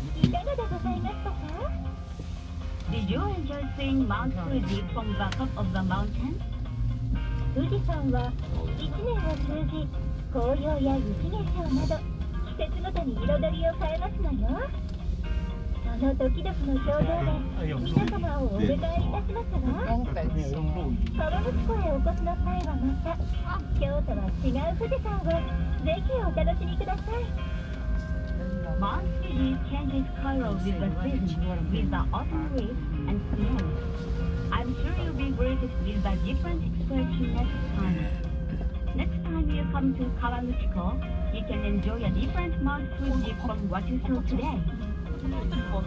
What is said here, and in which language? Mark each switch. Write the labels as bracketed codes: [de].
[en] Did you enjoy seeing Mount Fuji from the top of the mountain? [ja] Fuji-san は一年を通じ紅葉や雪化粧など季節ごとに彩りを変えますのよ。そのドキドキの表情で皆様をお迎えいたしますわ。川口湖へお越しの際はまた今日とは違う富士山をぜひお楽しみください。 [en] Mount Fuji changes colors with the season, with the autumn leaves and snow. I'm sure you'll be greeted with a different expression next time. Next time you come to Kawaguchiko, you can enjoy a different Mount Fuji from what you saw today.